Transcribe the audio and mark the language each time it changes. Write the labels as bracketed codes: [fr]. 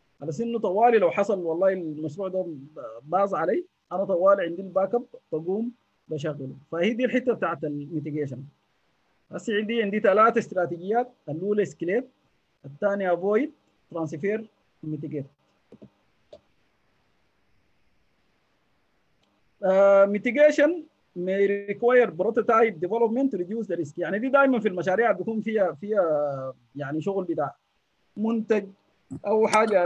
[ar] على اساس انه طوالي لو حصل والله المشروع ده باظ علي انا طوالي عندي الباك اب بقوم بشغله. فهي دي الحته بتاعت الميتيجيشن. بس عندي ثلاث استراتيجيات، الاولى اسكليب، الثانيه افويد، ترانسفير، ميتيجيت. [en] mitigation may require prototype development to reduce the risk. [ar] يعني دي دائما في المشاريع بيكون فيها يعني شغل بتاع منتج او حاجه.